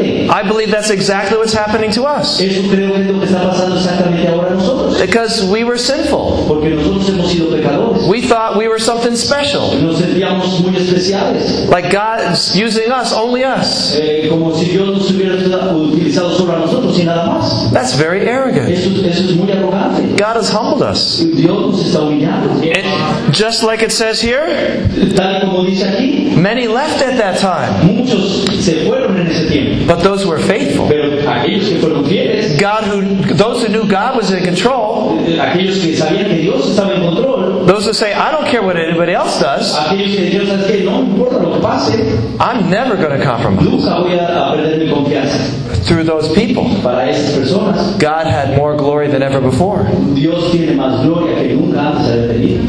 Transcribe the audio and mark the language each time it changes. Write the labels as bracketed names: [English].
[English] I believe that's exactly what's happening to us. [Spanish] Eso creo que es lo que está pasando exactamente ahora a nosotros. [English] Because we were sinful. [Spanish] Porque nosotros hemos sido pecadores. [English] We thought we were something special. [Spanish] Nos sentíamos muy especiales. [English] Like God's using us, only us. [Spanish] Como si Dios nos hubiera utilizado solo a nosotros y nada más. [English] That's very arrogant. [Spanish] Eso es muy arrogante. [English] God has humbled us. [Spanish] Dios nos está humillando. [English] And just like it says here, [Spanish] tal como dice aquí, [English] many left at that time. [Spanish] Muchos se fueron en ese tiempo. [English] But those were faithful. [Spanish] Pero aquellos que fueron fieles, [English] those who knew God was in control, [Spanish] aquellos que sabían que Dios estaba en control, [English] those who say, I don't care what anybody else does, [Spanish] aquellos que Dios hace, no importa lo que pase, [English] I'm never going to compromise. [Spanish] Nunca voy a perder mi confianza. [English] Through those people, [Spanish] para esas personas, [English] God had more glory than ever before. [Spanish] Dios tiene más gloria que nunca antes había tenido.